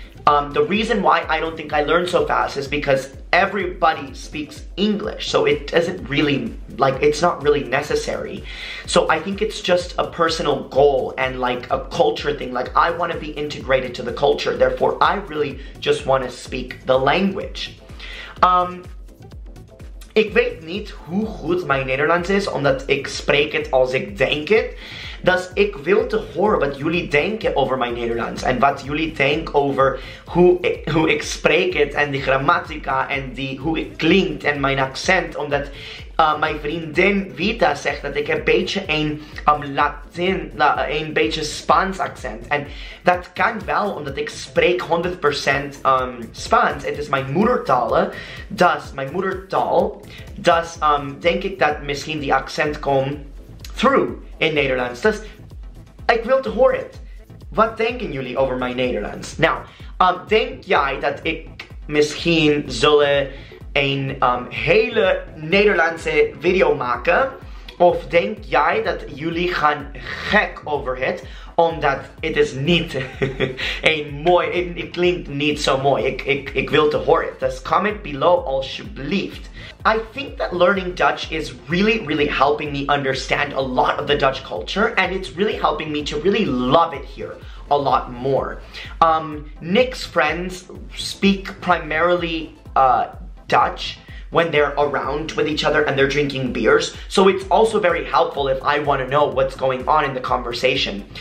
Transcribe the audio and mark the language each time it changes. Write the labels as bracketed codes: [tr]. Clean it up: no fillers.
[en] The reason why I don't think I learn so fast is because everybody speaks English, so it doesn't really, like, it's not really necessary. So I think it's just a personal goal and like a culture thing. Like, I want to be integrated to the culture, therefore I really just want to speak the language. [nl] Ik weet niet hoe goed mijn Nederlands is, omdat ik spreek het als ik denk het. Dus ik wil te horen wat jullie denken over mijn Nederlands. En wat jullie denken over hoe ik spreek het. En die grammatica en die, hoe het klinkt en mijn accent. Omdat mijn vriendin Vita zegt dat ik een beetje een een beetje Spaans accent. En dat kan wel, omdat ik spreek 100% Spaans. Het is mijn moedertaal. Dus mijn moedertaal. Dus denk ik dat misschien die accent komt [en] through [nl] in Nederlands. Dus ik wil te horen het. Wat denken jullie over mijn Nederlands? Nou, denk jij dat ik misschien zullen een hele Nederlandse video maken? Of denk jij dat jullie gaan gek over het? Omdat het is niet een mooi, het klinkt niet zo mooi. Ik wil te horen het. Dus [en] comment below [nl] alsjeblieft. [en] I think that learning Dutch is really, really helping me understand a lot of the Dutch culture, and it's really helping me to really love it here a lot more. Nick's friends speak primarily Dutch when they're around with each other and they're drinking beers, so it's also very helpful if I want to know what's going on in the conversation.